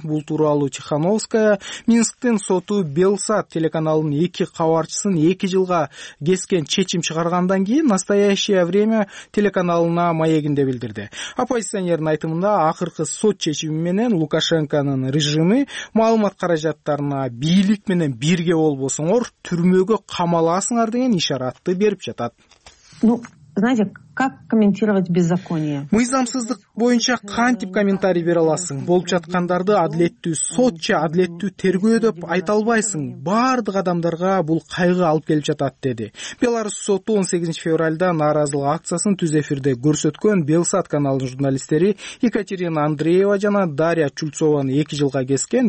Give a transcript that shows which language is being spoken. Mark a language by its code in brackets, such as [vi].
[ky] Бул тууралуу Тихановская Минсктин соту Белсат телеканалынын 2 кабарчысын 2 жылга кескен чечим чыгаргандан кийин Настоящее время телеканалына маегинде билдирди. Оппозиционердин айтымында акыркы сот чечими менен Лукашенконун режими маалымат каражаттарына бийлик менен бирге болбосоңор түрмөгө камаласыңар деген ишаратты берип жатат. [ru] Ну, знаете, как комментировать беззаконие? [ky] Мыйзамсыздык боюнча кантип комментарий бере аласың? Болуп жаткандарды адилеттүү сотчу, адилеттүү тергөө деп айта албайсың. Бардык адамдарга бул кайгы алып келип жатат, деди. Беларусь соту 18-февралда нааразылык акциясын түз эфирде көрсөткөн Белсат каналынын журналисттери Екатерина Андреева жана Дарья Чульцованы 2 жылга кескен.